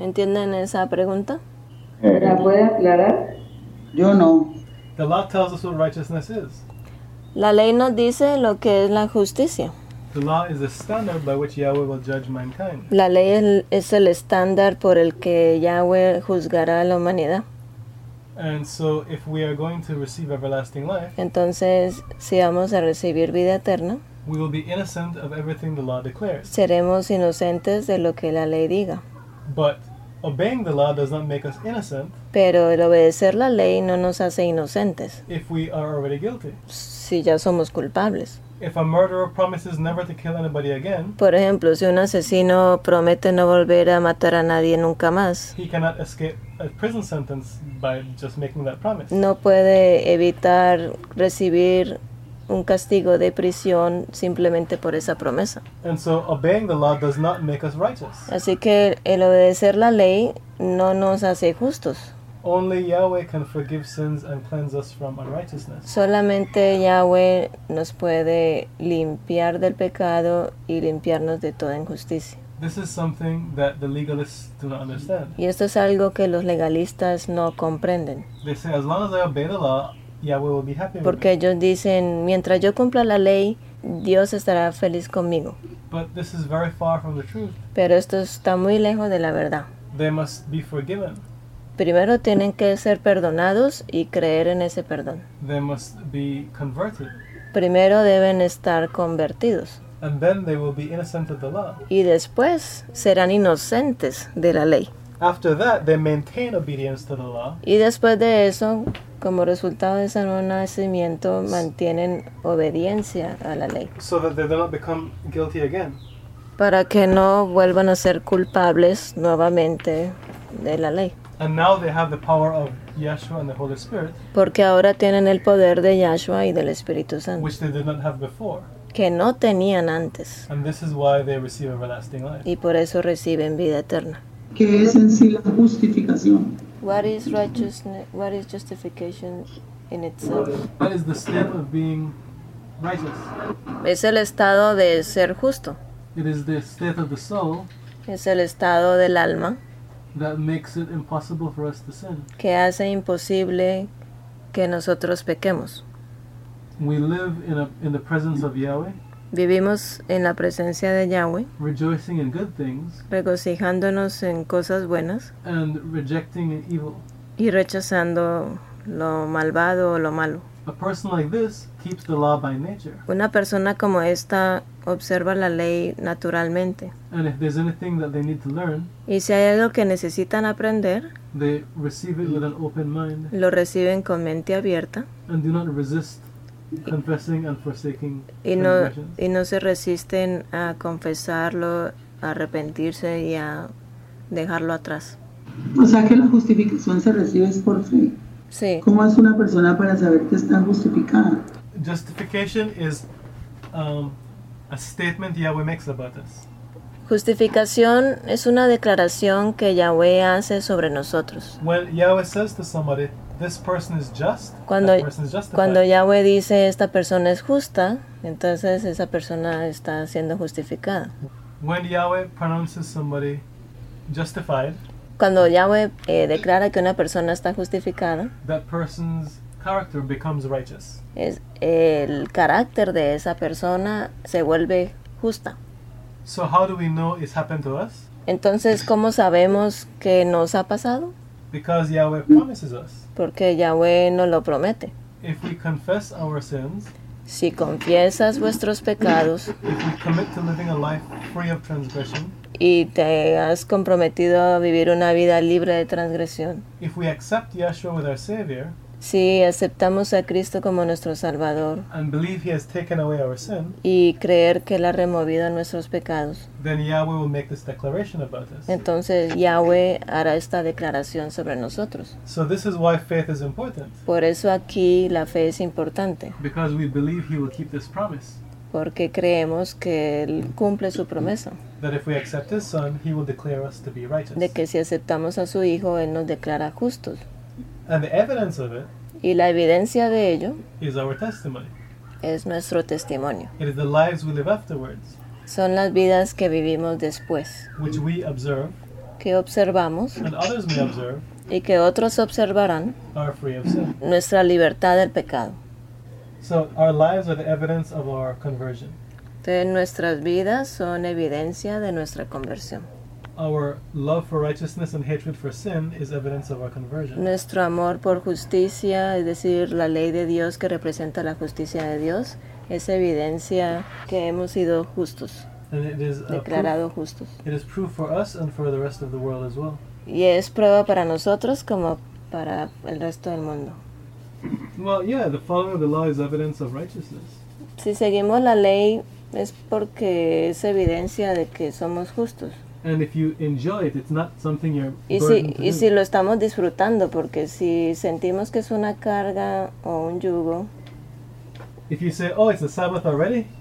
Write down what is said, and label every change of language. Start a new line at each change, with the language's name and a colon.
Spanish: ¿Entienden esa pregunta? ¿La puede aclarar? Yo no.
English: The law tells us what righteousness is.
Spanish: La ley nos dice lo que es la justicia.
English: The law is the standard by which Yahweh will judge mankind.
Spanish: La ley es el estándar por el que Yahweh juzgará a la humanidad.
English: And so if we are going to receive everlasting life,
Spanish: entonces si vamos a recibir vida eterna,
English: we will be innocent of everything the law declares.
Spanish: Seremos inocentes de lo que la ley diga.
English: But obeying the law does not make us innocent.
Spanish: Pero el obedecer la ley no nos hace inocentes.
English: If we are already guilty.
Spanish: Si ya somos culpables.
English: If a murderer promises never to kill anybody again,
Spanish: por ejemplo, si un asesino promete no volver a matar a nadie nunca más,
English: he cannot escape a prison sentence by just making that promise.
Spanish: No puede evitar recibir un castigo de prisión simplemente por esa promesa.
English: And so obeying the law does not make us righteous.
Spanish: Así que el obedecer la ley no nos hace justos.
English: Only Yahweh can forgive sins and cleanse us from unrighteousness.
Spanish: Solamente Yahweh nos puede limpiar del pecado y limpiarnos de toda injusticia.
English: This is something that the legalists do not understand.
Spanish: Y esto es algo que los legalistas no comprenden.
English: They say, as long as I obey the law, Yahweh will be happy with me.
Spanish: Porque ellos dicen, mientras yo cumpla la ley, Dios estará feliz conmigo.
English: But this is very far from the truth.
Spanish: Pero esto está muy lejos de la verdad.
English: They must be forgiven.
Spanish: Primero tienen que ser perdonados y creer en ese perdón.
English: They must be converted.
Spanish: Primero deben estar convertidos.
English: And then they will be innocent of the law.
Spanish: Y después serán inocentes de la ley.
English: After that, they maintain obedience to the law.
Spanish: Y después de eso, como resultado de ese nuevo nacimiento, mantienen obediencia a la ley.
English: So that they do not become guilty again.
Spanish: Para que no vuelvan a ser culpables nuevamente de la ley.
English: And now they have the power of Yeshua and the Holy Spirit.
Spanish: Porque ahora tienen el poder de Yeshua y del Espíritu Santo.
English: Which they did not have before.
Spanish: Que no tenían antes.
English: And this is why they receive everlasting life.
Spanish: Y por eso reciben vida eterna. ¿Qué es en sí la justificación?
English: What is righteousness? What is justification in itself? What is the state of being righteous?
Spanish: Es el estado de ser justo.
English: It is the state of the soul.
Spanish: Es el estado del alma.
English: That makes it impossible for us to sin.
Spanish: Que hace imposible que nosotros pequemos.
English: We live in the presence of Yahweh.
Spanish: Vivimos en la presencia de Yahweh.
English: Rejoicing in good things.
Spanish: Regocijándonos en cosas buenas.
English: And rejecting evil.
Spanish: Y rechazando lo malvado o lo malo.
English: A person like this keeps the law by nature.
Spanish: Una persona como esta observa la ley naturalmente.
English: And if there's anything that they need to learn,
Spanish: y si hay algo que necesitan aprender,
English: they receive it with an open mind,
Spanish: lo reciben con mente abierta.
English: And do not resist confessing and forsaking
Spanish: transgressions. Y no se resisten a confesarlo, a arrepentirse y a dejarlo atrás. O sea que la justificación se recibe es por fe. Sí. ¿Cómo es una persona para saber que está justificada?
English: Justification is a statement Yahweh makes about us.
Spanish: Justificación es una declaración que Yahweh hace sobre nosotros.
English: When Yahweh says to somebody, this person is just,
Spanish: cuando,
English: that person is justified.
Spanish: Cuando Yahweh dice esta persona es justa, entonces esa persona está siendo justificada.
English: When Yahweh pronounces somebody justified,
Spanish: cuando Yahweh declara que una persona está justificada,
English: that person's character becomes righteous.
Spanish: Es el carácter de esa persona se vuelve justa.
English: So how do we know it's happened to us?
Spanish: Entonces, ¿cómo sabemos que nos ha pasado?
English: Because Yahweh promises us.
Spanish: Porque Yahweh nos lo promete.
English: If we confess our sins,
Spanish: si confiesas vuestros pecados,
English: if we commit to living a life free of transgression,
Spanish: y te has comprometido a vivir una vida libre de transgresión,
English: if we accept Yeshua with our Savior,
Spanish: si aceptamos a Cristo como nuestro Salvador,
English: and believe he has taken away our sin,
Spanish: y creer que Él ha removido nuestros pecados,
English: then Yahweh will make this declaration about us.
Spanish: Entonces Yahweh hará esta declaración sobre nosotros.
English: So this is why faith is important.
Spanish: Por eso aquí la fe es importante.
English: Because we believe he will keep this promise.
Spanish: Porque creemos que Él cumple su promesa.
English: That if we accept his son, he will declare us to be righteous.
Spanish: De que si aceptamos a su hijo, Él nos declara justos.
English: And the evidence of it,
Spanish: y la evidencia de ello,
English: is our testimony.
Spanish: Es nuestro testimonio.
English: It is the lives we live afterwards,
Spanish: son las vidas que vivimos después,
English: which we observe,
Spanish: que observamos,
English: and others may observe,
Spanish: y que otros observarán,
English: are free of sin.
Spanish: Nuestra libertad del pecado.
English: So our lives are the evidence of our conversion.
Spanish: Entonces, nuestras vidas son evidencia de nuestra conversión.
English: Our love for righteousness and hatred for sin is evidence of our conversion.
Spanish: Nuestro amor por justicia, es decir, la ley de Dios que representa la justicia de Dios, es evidencia que hemos sido justos.
English: And it is
Spanish: declarado
English: proof,
Spanish: justos.
English: It is proof for us and for the rest of the world as well.
Spanish: Y es prueba para nosotros como para el resto del mundo.
English: Well, yeah, the following of the law is evidence of righteousness.
Spanish: Si seguimos la ley, es porque es evidencia de que somos justos.
English: And if you enjoy it, it's not something you're burdened to do.
Spanish: Y si lo estamos disfrutando, porque si sentimos que es una carga o un yugo.
English: If you say, oh, it's the Sabbath already.